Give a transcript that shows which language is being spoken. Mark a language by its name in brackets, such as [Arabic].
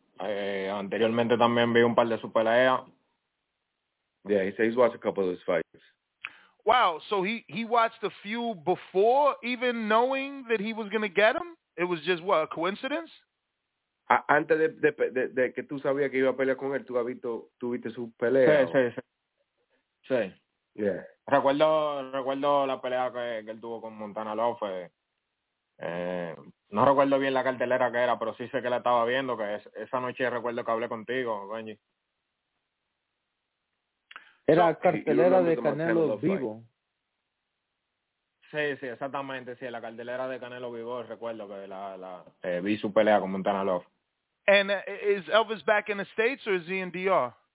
[Spanish] Anteriormente también vi un par de sus peleas. [English] Yeah, he said he's watched a couple of those fights. Wow, so he watched a few before even knowing that he was going to get him? It was just, what, a coincidence? [Spanish] Antes de que tú sabías que iba a pelear con él, tú viste su pelea. Sí. [English] Yeah. [Spanish] Recuerdo la pelea que él tuvo con Montana Love. No recuerdo bien la cartelera que era, pero sí sé que la estaba viendo, que esa noche recuerdo que hablé contigo, Benji. Era cartelera de Canelo Vivo. Sí, exactamente, sí, la cartelera de Canelo Vivo, recuerdo que la vi su pelea con Montana Love. [English] And is Elvis back in the States or is he in DR?